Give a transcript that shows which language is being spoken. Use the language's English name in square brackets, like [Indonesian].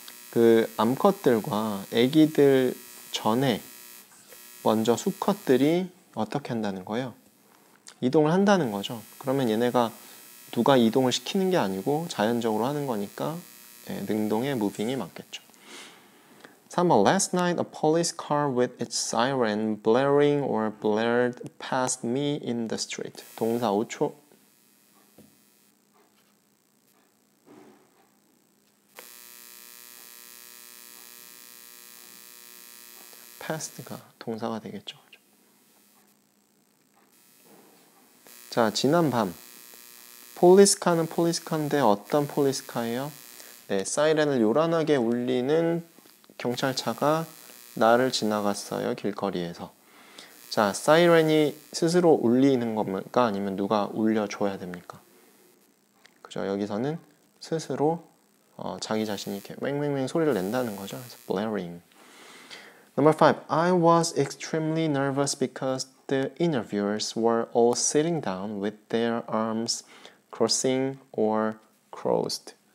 [Korean] 그 암컷들과 아기들 전에 먼저 수컷들이 어떻게 한다는 거예요? 이동을 한다는 거죠. 그러면 얘네가 누가 이동을 시키는 게 아니고 자연적으로 하는 거니까 예, 능동의 moving이 맞겠죠. 3번 [English] Last night a police car with its siren blaring or blared past me in the street. [Korean] 동사 5초. 패스트가 동사가 되겠죠. 자, 지난 밤 폴리스카는 폴리스카인데 어떤 폴리스카예요? 네, 사이렌을 요란하게 울리는 경찰차가 나를 지나갔어요, 길거리에서. 자, 사이렌이 스스로 울리는 겁니까? 아니면 누가 울려줘야 됩니까? 그죠, 여기서는 스스로 자기 자신이 이렇게 맹맹맹 소리를 낸다는 거죠. [English] blaring. Number 5. I was extremely nervous because the interviewers were all sitting down with their arms crossing or crossed.